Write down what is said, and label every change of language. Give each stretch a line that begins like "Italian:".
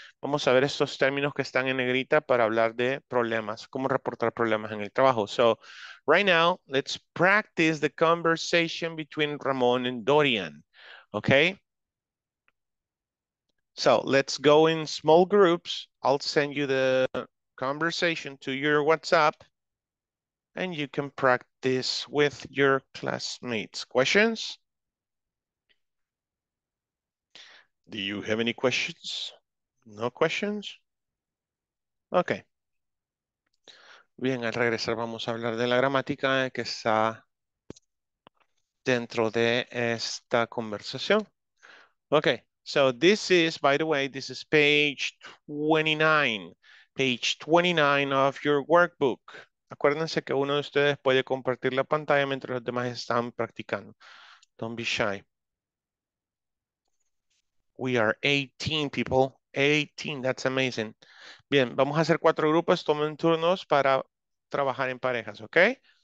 Spanish: Vamos a ver estos términos que están en negrita para hablar de problemas, cómo reportar problemas en el trabajo.
English: So, right now, let's practice the conversation between Ramon and Dorian, okay? So, let's go in small groups. I'll send you the conversation to your WhatsApp, and you can practice with your classmates. Questions? Do you have any questions? No questions? Okay.
Spanish: Bien, al regresar vamos a hablar de la gramática que está dentro de esta conversación.
English: Okay, so this is, by the way, this is page 29. Page 29 of your workbook.
Spanish: Acuérdense que uno de ustedes puede compartir la pantalla mientras los demás están practicando.
English: Don't be shy. We are 18 people. 18, that's amazing.
Spanish: Bien, vamos a hacer cuatro grupos. Tomen turnos para trabajar en parejas, ¿ok?